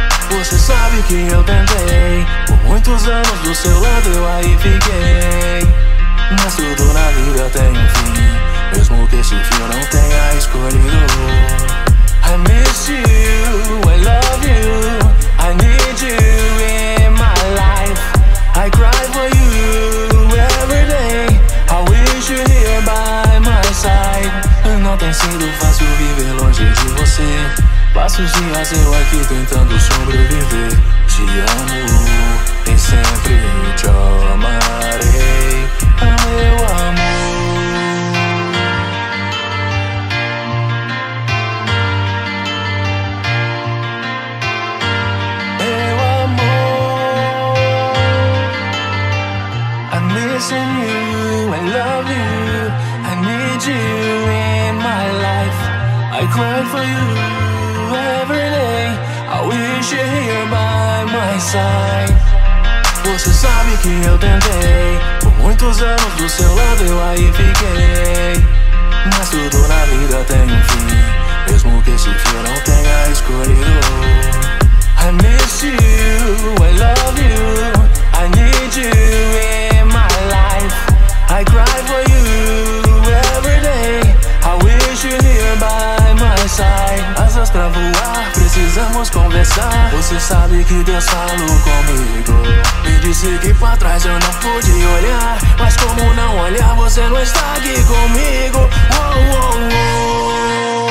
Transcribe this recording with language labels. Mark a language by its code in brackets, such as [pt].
[pt] Você sabe que eu tentei, por muitos anos do seu lado eu aí fiquei. Mas tudo na vida tem um fim. assim que eu não tenha escolhido. [en] I miss you, I love you, I need you in my life. I cry for you every day, I wish you here by my side. [pt] Não tem sido fácil viver longe de você. Passo os dias eu aqui tentando sobreviver. Te amo, e sempre te amarei. Meu amor, meu amor, [en] I'm missing you, I love you, I need you in my life. I cry for you every day, I wish you here by my side. [pt] Você sabe que eu tentei. Por muitos anos do seu lado eu aí fiquei. Mas tudo na vida tem um fim, mesmo que esse fim eu não tenha escolhido. [en] I miss you, I love you, I need you in my life. I cry for you every day, I wish you here by my side. [pt] Asas pra voar, precisamos conversar. Você sabe que Deus falou comigo. Me disse que pra trás eu não pude olhar. Mas como não olhar, você não está aqui comigo. Oh, oh, oh.